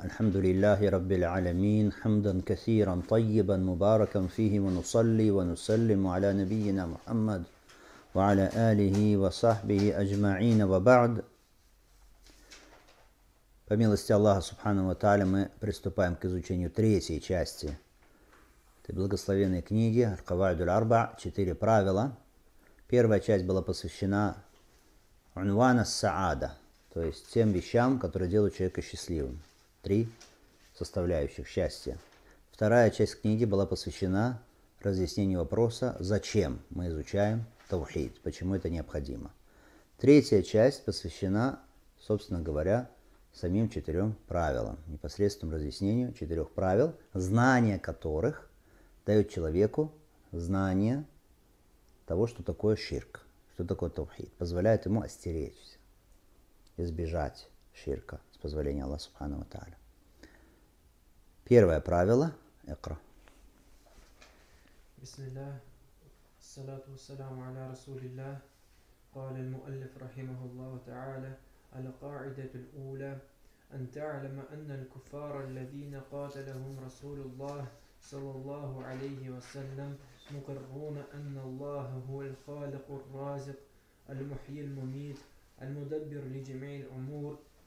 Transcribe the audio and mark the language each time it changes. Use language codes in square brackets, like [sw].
[ar] الحمد لله رب العالمين، حمدا كثيرا طيبا مباركا فيه، ونصلي ونسلم على نبينا محمد وعلى آله وصحبه أجمعين، وبعد. [ru] По милости Аллаха Субхану ва Тааля мы приступаем к изучению третьей части этой благословенной книги Аль-Каваид Аль-Арба, четыре правила. Первая часть была посвящена Унвана Саада, то есть тем вещам, которые делают человека счастливым. Три составляющих счастья. Вторая часть книги была посвящена разъяснению вопроса, зачем мы изучаем Таухид, почему это необходимо. Третья часть посвящена, собственно говоря, самим четырем правилам, непосредственному разъяснению четырех правил, знание которых дает человеку знание того, что такое ширк, что такое таухид, позволяет ему остеречься, избежать ширка с позволения Аллаха Субхану ва Тааля. Первое правило – икра. [ar] Бисмиллях, ассаляту ассаляму аля расулиллях, قال المؤلف رحمه الله تعالى القاعدة الأولى أن تعلم أن الكفار الذين قاتلهم رسول الله صلى الله عليه وسلم مقرون أن الله هو الخالق الرازق المحيي المميت المدبر لجميع الأمور